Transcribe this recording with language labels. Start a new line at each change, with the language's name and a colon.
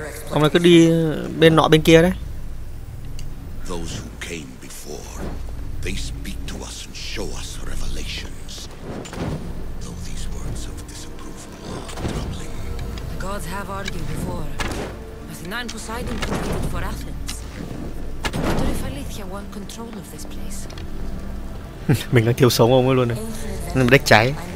Vietnamese: Ông ấy cứ đi bên nọ bên kia đấy.
English: Those who came before, they speak to us and show us revelations. Though these words of disapproval are troubling. Gods have argued before, but none Poseidon competed for Athens. I wonder if Aletheia won control of this place.
Vietnamese: Mình đang thiếu sống ông ấy luôn này. Nên đếch cháy.